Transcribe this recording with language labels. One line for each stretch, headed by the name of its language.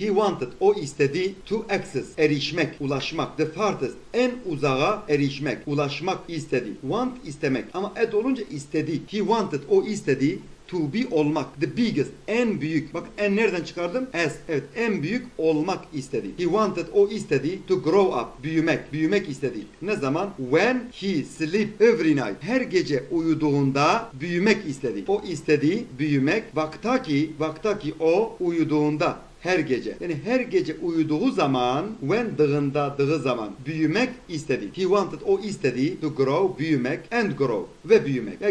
English: He wanted,
Turkish: o istedi,
English: to access, erişmek, ulaşmak.
Turkish: The farthest, en uzağa erişmek, ulaşmak istedi. Want, istemek. Ama at olunca istedi.
English: He wanted,
Turkish: o istedi,
English: to be,
Turkish: olmak.
English: The biggest, en büyük.
Turkish: Bak en nereden çıkardım? As. Evet, en büyük olmak istedi.
English: He wanted,
Turkish: o istedi,
English: to grow up,
Turkish: büyümek. Büyümek istedi. Ne zaman?
English: When he sleep every night.
Turkish: Her gece uyuduğunda büyümek istedi. O istedi, büyümek. Vaktaki o uyuduğunda. Her gece. Yani her gece uyuduğu zaman,
English: when
Turkish: dığında, dığı zaman büyümek istedi.
English: He wanted,
Turkish: o istedi,
English: to grow, büyümek, and grow,
Turkish: ve büyümek.